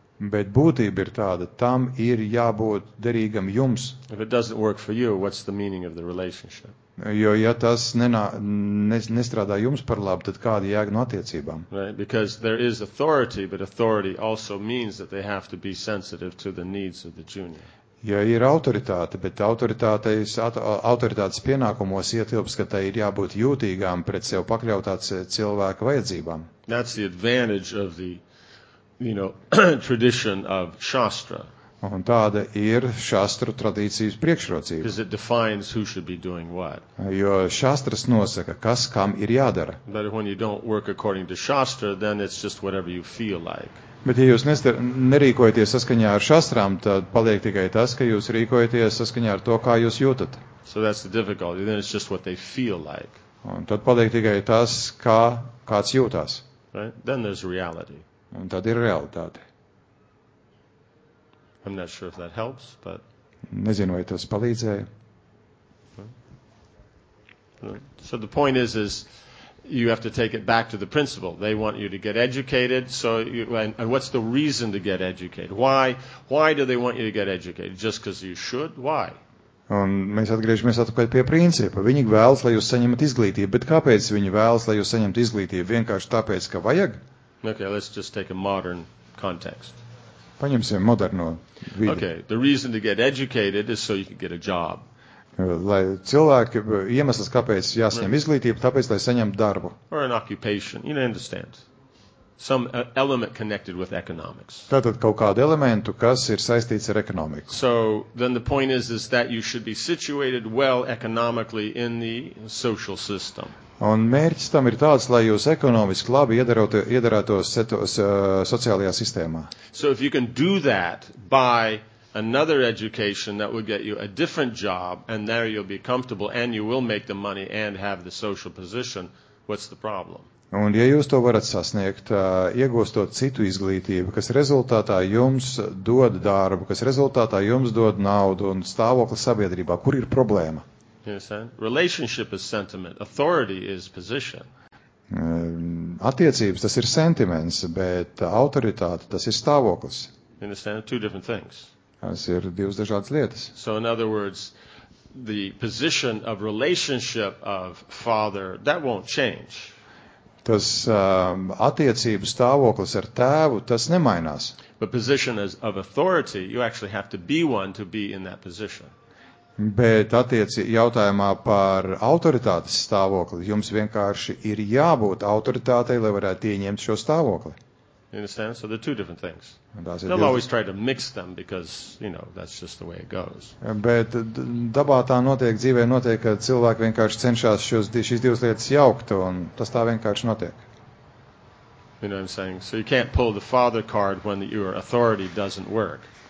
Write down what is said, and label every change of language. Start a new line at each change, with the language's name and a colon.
Latvian: Bet būtība ir tāda, tam ir jābūt derīgam jums.
English: If it doesn't work for you, what's the meaning of the relationship?
Latvian: Jo, ja tas nestrādā jums par labu, tad kāda jēga no attiecībām?
English: Right, because there is authority, but authority also means that they have to be sensitive to the needs of the junior.
Latvian: Ja ir autoritāte, bet autoritātes pienākumos ietilps, ka tai ir jābūt jūtīgām pret sev pakļautāts cilvēka vajadzībām.
English: That's the advantage of the, you know, tradition of Shastra.
Latvian: Un tāda ir šastru tradīcijas priekšrocība.
English: Because it defines who should be doing what.
Latvian: Jo šastras nosaka, kas kam ir jādara.
English: But when you don't work according to Shastra, then it's just whatever you feel like.
Latvian: Bet ja jūs nerīkojaties saskaņā ar šastrām, tad paliek tikai tas, ka jūs rīkojaties saskaņā ar to, kā jūs jūtat.
English: So that's the difficulty, then it's just what they feel like.
Latvian: Un tad paliek tikai tas, kā kāds jūtās.
English: Right? Then there's reality.
Latvian: Un tad ir realitāte.
English: I'm not sure if that helps, but...
Latvian: Nezinu, vai tas palīdzēja.
English: So the point is you have to take it back to the principal. They want you to get educated. So, and what's the reason to get educated? Why do they want you to get educated? Just because you should? Why?
Latvian: Un mēs atgriežamies atpakaļ pie principa. Viņi vēlas, lai jūs saņemat izglītību. Bet kāpēc viņi vēlas, lai jūs saņemat izglītību? Vienkārši tāpēc, ka vajag?
English: Okay, let's just take a modern context.
Latvian: Paņemsim moderno vidi.
English: Okay, the reason to get educated is so you can get a job.
Latvian: Lai cilvēki, iemesls, kāpēc jāsaņem izglītību, tāpēc, lai saņemtu darbu.
English: Or an occupation, you don't understand. Some element connected with economics.
Latvian: Tātad kaut kādu elementu, kas ir saistīts ar ekonomiku.
English: So then the point is that you should be situated well economically in the social system.
Latvian: Un mērķis tam ir tāds, lai jūs ekonomiski labi iederētos sociālajā sistēmā.
English: So if you can do that by another education that will get you a different job and there you'll be comfortable and you will make the money and have the social position, what's the problem?
Latvian: Un ja jūs to varat sasniegt, iegūstot citu izglītību, kas rezultātā jums dod darbu, kas rezultātā jums dod naudu un stāvokli sabiedrībā, kur ir problēma?
English: You understand? Relationship is sentiment. Authority is position.
Latvian: Attiecības, tas ir sentiments, bet autoritāte, tas ir stāvoklis.
English: You understand? Two different things.
Latvian: Tas ir divas dažādas lietas.
English: So in other words, the position of relationship of father, that won't change.
Latvian: Tas attiecības stāvoklis ar tēvu, tas nemainās.
English: But position is of authority, you actually have to be one to be in that position.
Latvian: Bet jautājumā par autoritātes stāvokli, jums vienkārši ir jābūt autoritātei, lai varētu ieņemt šo stāvokli.
English: You understand? So they're two different things. They'll always try to mix them because, you know, that's just the way it goes.
Latvian: Bet dabā tā notiek, dzīvē notiek, ka cilvēki vienkārši cenšas šīs divas lietas jaukt, un tas tā vienkārši notiek.
English: You know what I'm saying? So you can't pull the father card when your authority doesn't work.